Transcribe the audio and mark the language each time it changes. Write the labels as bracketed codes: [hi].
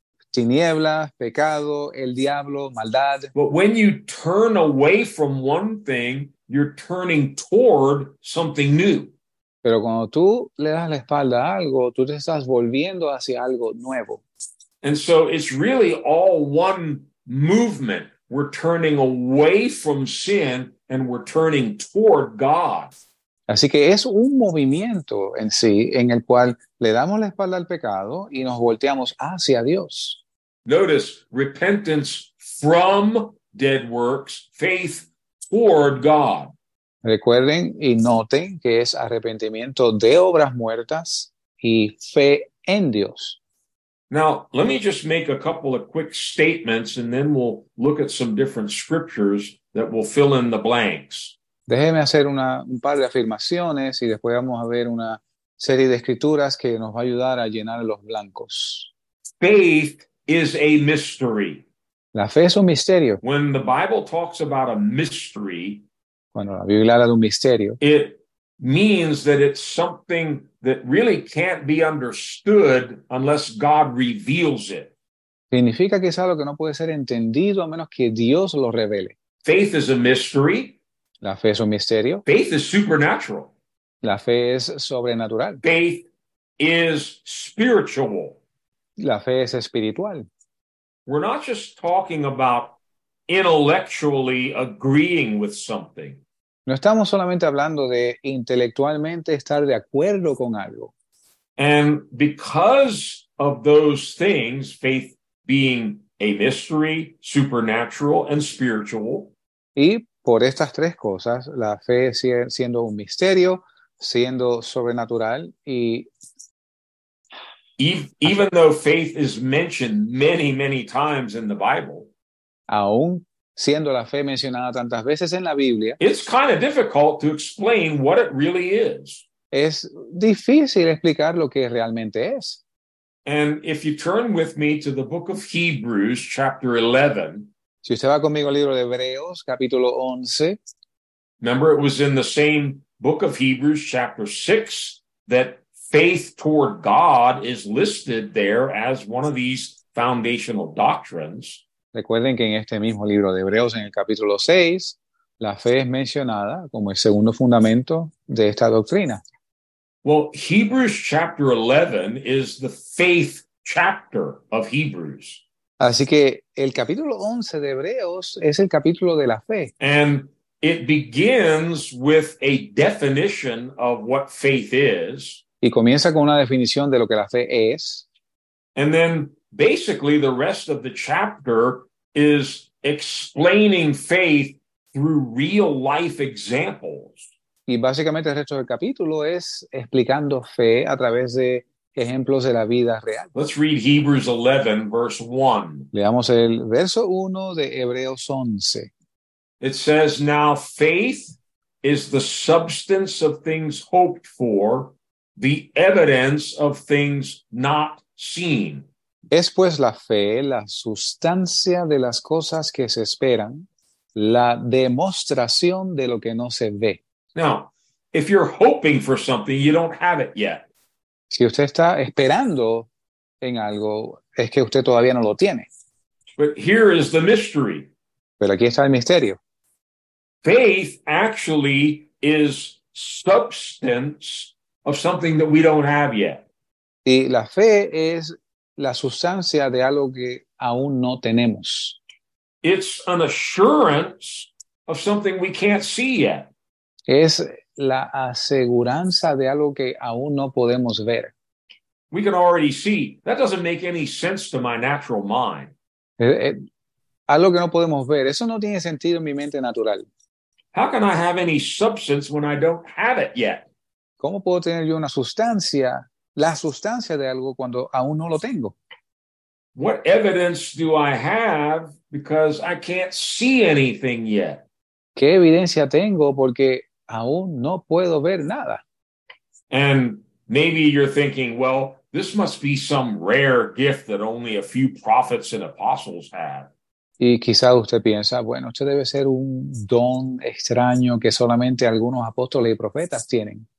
[es] Tiniebla, pecado, el diablo, maldad. [en] But when you turn away from one thing, you're turning toward something new. [es] Pero cuando tú le das la espalda a algo, tú te estás volviendo hacia algo nuevo. [en] And so it's really all one movement. We're turning away from sin and we're turning toward God. [es] Así que es un movimiento en sí en el cual le damos la espalda al pecado y nos volteamos hacia Dios. [en] Notice repentance from dead works, faith toward God. [es] Recuerden y noten que es arrepentimiento de obras muertas y fe en Dios. [en] Now, let me just make a couple of quick statements and then we'll look at some different scriptures that will fill in the blanks. [es] Déjeme hacer un par de afirmaciones y después vamos a ver una serie de escrituras que nos va a ayudar a llenar los blancos. [en] Faith is a mystery. [es] La fe es un misterio. [en] When the Bible talks about a mystery, [es] cuando la Biblia habla de un misterio, [en] it means that it's something that really can't be understood unless God reveals it. [es] Significa que es algo que no puede ser entendido a menos que Dios lo revele. [en] Faith is a mystery. [es] La fe es un misterio. [en] Faith is supernatural. [es] La fe es sobrenatural. [en] Faith is spiritual. [es] La fe es espiritual. [en] We're not just talking about intellectually agreeing with something. [es] No estamos solamente hablando de intelectualmente estar de acuerdo con algo. [en] And because of those things, faith being a mystery, supernatural, and spiritual. [es] Y por estas tres cosas, la fe siendo un misterio, siendo sobrenatural y [en] Even though faith is mentioned many, many times in the Bible, [es] aún siendo la fe mencionada tantas veces en la Biblia, [en] it's kind of difficult to explain what it really is. [es] es difícil explicar lo que realmente es. [en] And if you turn with me to the book of Hebrews, chapter 11, [es] Si usted va conmigo al libro de Hebreos, capítulo 11. [en] remember it was in the same book of Hebrews, chapter 6, that faith toward God is listed there as one of these foundational doctrines. [es] Recuerden que en este mismo libro de Hebreos, en el capítulo 6, la fe es mencionada como el segundo fundamento de esta doctrina. [en] Well, Hebrews chapter 11 is the faith chapter of Hebrews. [es] Así que el capítulo 11 de Hebreos es el capítulo de la fe. [en] And it begins with a definition of what faith is. [es] Y comienza con una definición de lo que la fe es. [en] And then basically the rest of the chapter is explaining faith through real life examples. [es] Y básicamente el resto del capítulo es explicando fe a través de ejemplos de la vida real. [en] Let's read Hebrews 11, verse 1. [es] Leamos el verso 1 de Hebreos 11. [en] It says, "Now faith is the substance of things hoped for, the evidence of things not seen." [es] Es pues la fe, la sustancia de las cosas que se esperan, la demostración de lo que no se ve. [en] Now, if you're hoping for something, you don't have it yet. [es] Si usted está esperando en algo, es que usted todavía no lo tiene. [en] But here is the mystery. [es] Pero aquí está el misterio. [en] Faith actually is substance of something that we don't have yet. [es] Y la fe es la sustancia de algo que aún no tenemos. [en] It's an assurance of something we can't see yet. [es] Es la aseguranza de algo que aún no podemos ver. [en] We can already see. That doesn't make any sense to my natural mind. [es] Algo que no podemos ver. Eso no tiene sentido en mi mente natural. [en] How can I have any substance when I don't have it yet? [es] ¿Cómo puedo tener yo una sustancia, la sustancia de algo cuando aún no lo tengo? [en] What evidence do I have because I can't see anything yet? [es] ¿Qué evidencia tengo? Porque aún no puedo ver nada. [en] And maybe you're thinking, well, this must be some rare gift that only a few prophets and apostles have. [es] Y quizá usted piensa, bueno, este debe ser un don extraño que solamente algunos apóstoles y profetas tienen.